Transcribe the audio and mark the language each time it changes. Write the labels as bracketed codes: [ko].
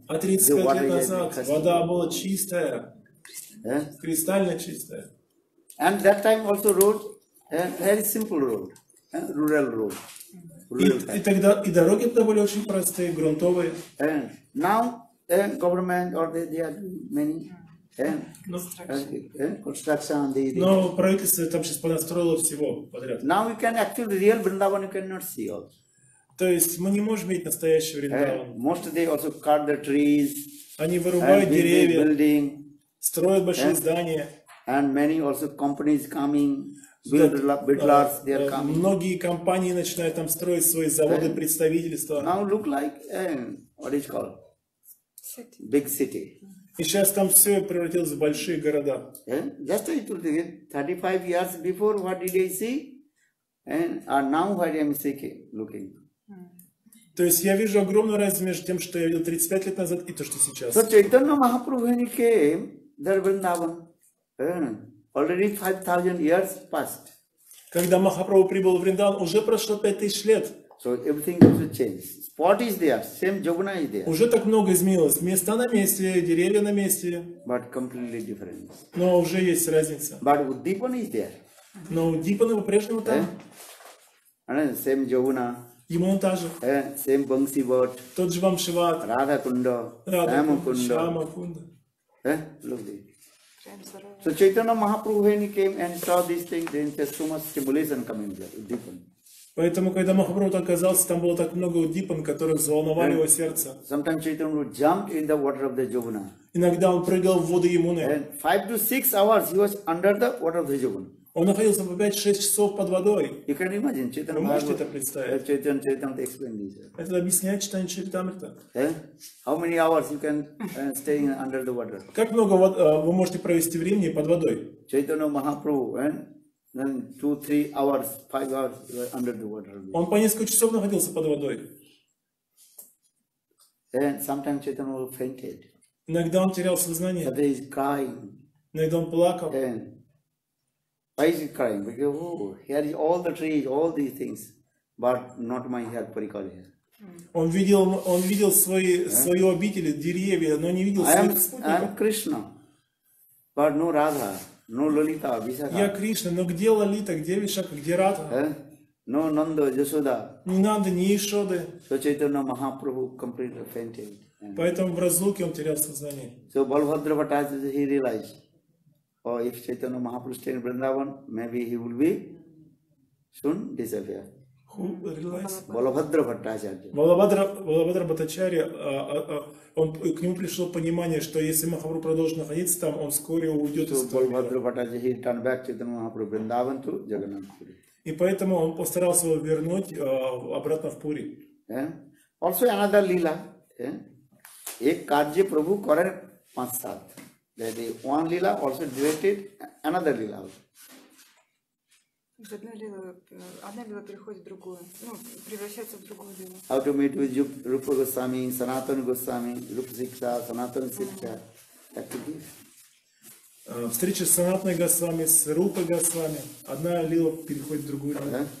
[ru] А 35 лет назад вода была чистая, кристально чистая. [en] And that time also road, very simple road, rural road. [ru] И тогда и дороги тогда были очень простые, грунтовые. [en] Now government or they are many construction. [ru] Но правительство там сейчас понастроило всего подряд. [en] Now you can actually real Vrindavan you cannot see also. [ru] То есть мы не можем видеть настоящий Вриндаван. [en] Most they also cut the trees. [ru] Они вырубают деревья. [en] Building, [ru] строят большие здания. [en] And many also companies coming. Builders, they are coming. [ru] Многие компании начинают там строить свои заводы, представительства. [en] Now look like what is called? City. Big city. [ru] И сейчас там все превратилось в большие города. [en] Just I told you, 35 years before, what did I see? And now what I am seeking, looking. [ru] То есть я вижу огромную разницу между тем, что я видел 35 лет назад и то, что сейчас. [en] So Chaitanya Mahaprabhu, when he came, there Vrindavan, already 5000 years passed. [ru] Когда Махапрабху прибыл в Вриндаван, уже прошло 5000 лет. [en] So everything also changed. What is there? Same Jamuna is there. [ru] Уже так много изменилось. Места на месте, деревья на месте. [en] But completely different. [ru] Но уже есть разница. [en] But Uddipana is there. [ru] Но Uddipana по-прежнему там. [en] Same Jamuna. [ru] Ямуна та же. [en] Same Bansi Vat. [ru] Тот же Вамшиват. [en] Radha Kunda. Shyama Kunda. Shyama Kunda. Look there. So Chaitanya Mahaprabhu when he came and saw these things, then there's so much stimulation coming there. Uddipana. [ru] Поэтому, когда Махапрабху оказался, там было так много уддипан, которые взволновали его сердце. [en] Sometimes Chaitanya would jump in the water of the Jamuna. [ru] Иногда он прыгал в воду Ямуны. [en] And 5 to 6 hours he was under the water of the Jamuna. [ru] Он находился по 5-6 часов под водой. [en] You can imagine, Chaitanya. [ru] Вы можете это представить? [en] Chaitanya explained this. [ru] Это объясняет Chaitanya Charitamrita. [en] How many hours you can stay under the water? [ru] Как много вы можете провести времени под водой? [en] Chaitanya Mahaprabhu, then 2-3 hours, 5 hours under the water. [ru] Он по несколько часов находился под водой. [en] And sometimes Chaitanya was fainted. [ru] Иногда он терял сознание. [en] But he is crying. [ru] Иногда он плакал. [en] And why is he crying? Because here is all the trees, all these things, but not my here Parikal here. [ru] Он видел свои обители, деревья, но не видел своих спутников. [en] I am Krishna, but no Radha. No Lalita, Vishakha. [ru] Я Кришна, но где Лалита, где Вишакха, где Радха? [en] No Нанда, Ясода. [ru] Не надо, не Ишоды. [en] So Chaitanya Mahaprabhu completely fainted. [ru] Поэтому в разлуке он терял сознание. [en] So Balbhadra Bhattacharya, he realized, or if Chaitanya Mahaprabhu stayed in Vrindavan, maybe he will be soon disappear. Who realized? Balbhadra Bhattacharya. [ru] Balbhadra Bhattacharya, к нему пришло понимание, что если Махапрабху продолжит находиться там, он вскоре уйдет из [en] этого. Balbhadra Bhattacharya, he turned back Chaitanya Mahaprabhu Vrindavan to Jagannath Puri. [ru] И поэтому он постарался его вернуть обратно в Пури. [en] Yeah. Also another lila. [bn] Ek karje Prabhu karen paanch saat. [en] That is one lila also directed another lila. [ru] Одна лила переходит в другую, ну, превращается в другую лилу. [en] How to meet with Rupa Goswami, Sanatana Goswami, Rupa Siksha, Sanatana Siksha. That could be. [ru] Встреча с Санатной Госвами, с Рупой Госвами, одна лила переходит в другую лилу.